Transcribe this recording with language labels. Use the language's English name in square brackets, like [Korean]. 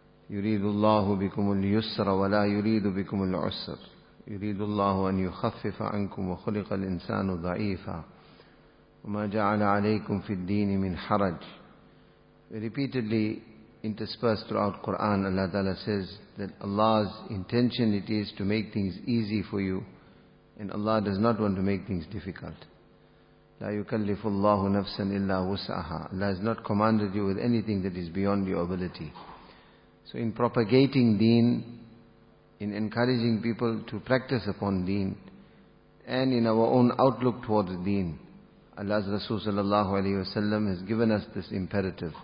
[Arabic] يُرِيدُ اللَّهُ بِكُمُ الْيُسْرَ وَلَا يُرِيدُ بِكُمُ الْعُسْرَ يُرِيدُ اللَّهُ أَنْ يُخَفِّفَ عَنْكُمْ وَخُلِقَ الْإِنسَانُ ضَعِيفًا وَمَا جَعَلَ عَلَيْكُمْ فِي الدِّينِ مِنْ حَرَجٍ. [English] Repeatedly interspersed throughout Quran, Allah Ta'ala says that Allah's intention it is to make things easy for you, and Allah does not want to make things difficult. [Arabic] لا يكلف الله نفسا إلا وسعها. [English] Allah has not commanded you with anything that is beyond your ability. So in propagating deen, in encouraging people to practice upon deen, and in our own outlook towards deen, Allah's Rasul sallallahu alayhi wa sallam has given us this imperative.